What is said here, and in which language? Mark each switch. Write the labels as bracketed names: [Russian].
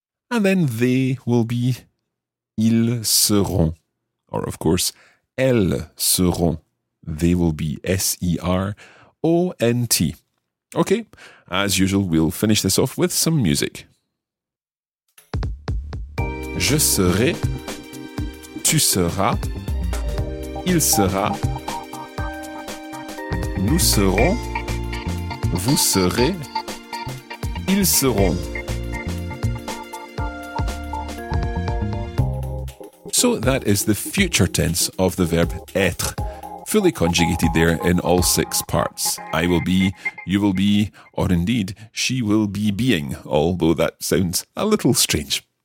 [English] And then they will be, [French] ils seront. [English] Or, of course, [French] elles seront. [English] They will be S-E-R-O-N-T. Okay, as usual, we'll finish this off with some music. [French] Je serai, tu seras, il sera, nous serons, vous serez, ils seront. [English] So that is the future tense of the verb être, fully conjugated there in all six parts. I will be, you will be, or indeed, she will be being, although that sounds a little strange.